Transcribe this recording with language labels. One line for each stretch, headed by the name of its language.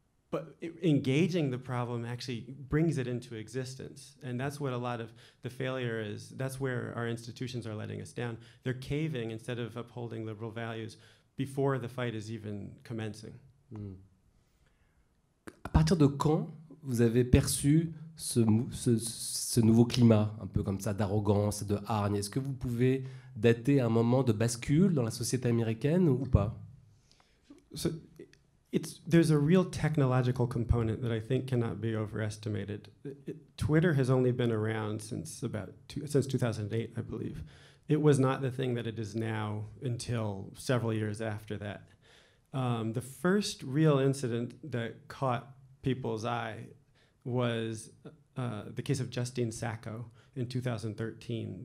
English: But engaging the problem actually brings it into existence. And that's what a lot of the failure is. That's where our institutions are letting us down. They're caving instead of upholding liberal values before the fight is even commencing. Mm.
French: À partir de quand vous avez perçu ce nouveau climat, un peu comme ça, d'arrogance, de hargne? Est-ce que vous pouvez dater un moment de bascule dans la société américaine ou pas?
English: There's a real technological component that I think cannot be overestimated. Twitter has only been around since 2008, I believe. It was not the thing that it is now until several years after that. The first real incident that caught people's eye was the case of Justine Sacco in 2013.